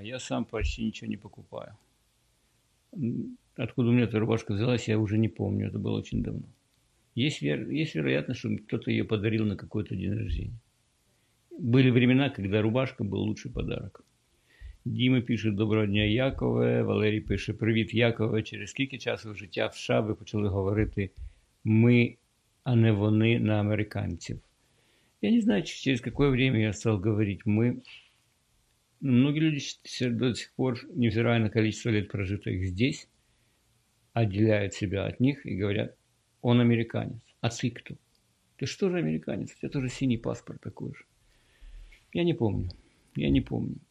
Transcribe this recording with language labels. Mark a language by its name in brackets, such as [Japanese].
[Russian] Я сам почти ничего не покупаю. Откуда у меня эта рубашка взялась, я уже не помню, это было очень давно. Есть вероятность, что кто-то ее подарил на какой-то день рождения. Были времена, когда рубашка был лучший подарок. Дима пишет: [Ukrainian] «Доброго дня, Якове». Валерій пише: «Привіт, Якове. Через скільки часу життя в США ви почали говорити «ми», а не «вони» на американців?» [Russian] Я не знаю, через какое время я стал говорить «мы». Но многие люди до сих пор, невзирая на количество лет, прожитых здесь, отделяют себя от них и говорят: «Он американец». А ты кто? Ты что же американец? У тебя тоже синий паспорт такой же. Я не помню. Я не помню.